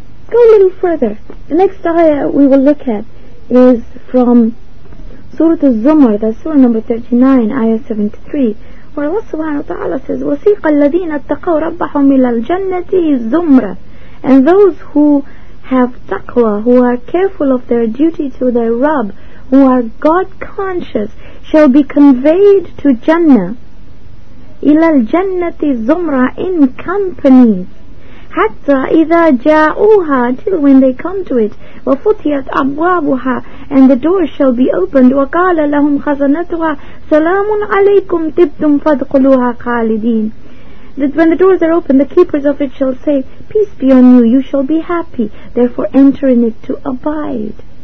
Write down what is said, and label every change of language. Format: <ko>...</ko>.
<en>Go a little further. The next ayah we will look at is from Surah Az-Zumar, that's Surah number 39, Ayah 73, where Allah subhanahu wa ta'ala says,</en> <ar>وَسِيقَ الَّذِينَ اتَّقَوْ رَبَّهُمْ إِلَى الْجَنَّةِ الزُّمْرَ.</ar> <en>And those who have taqwa, who are careful of their duty to their Rabb, who are God conscious, shall be conveyed to Jannah.</en> <ar>إِلَى الْجَنَّةِ زُمْرَ</ar> <en>in companies.</en> <ar>حَتَّى إِذَا جَاءُوهَا,</ar> <en>till when they come to it.</en> <ar>وَفُتِيَتْ أَبْوَابُهَا,</ar> <en>and the door shall be opened.</en> <ar>وَقَالَ لَهُمْ خَزَنَتُهَا سَلَامٌ عَلَيْكُمْ تِبْتُمْ فَادْخُلُوهَا خَالِدِينَ.</ar> <en>That when the doors are open, the keepers of it shall say, peace be on you, you shall be happy, therefore enter in it to abide.</en>